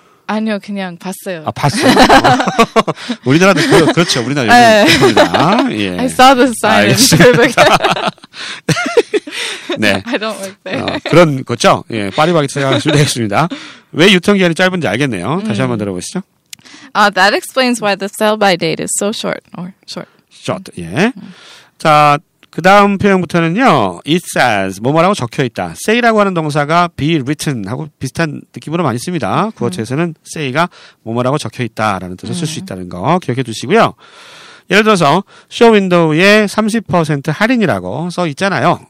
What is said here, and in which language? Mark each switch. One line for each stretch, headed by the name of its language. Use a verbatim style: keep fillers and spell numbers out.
Korean: 아니요, 그냥 봤어요. 아, 봤어요? 우리나라도, 그, 그렇죠. 우리나라도. 네. 예.
English: I saw the sign.
Korean: 네.
English: I don't like that. 어,
Korean: 그런 거죠? 예, 파리바게트 생각하시면 되겠습니다. 왜 유통기한이 짧은지 알겠네요. 다시 음. 한번 들어보시죠.
English: Uh, that explains why the sell-by date is so short. Or short.
Korean: Short, 예. 음. 자, 그 다음 표현부터는요.
English: It says,
Korean: 뭐뭐라고 적혀있다. say라고 하는 동사가 be written 하고 비슷한 느낌으로 많이 씁니다. 구어체에서는 음. say가 뭐뭐라고 적혀있다라는 뜻을 음. 쓸 수 있다는 거 기억해 두시고요. 예를 들어서 쇼윈도우에 삼십 퍼센트 할인이라고 써 있잖아요.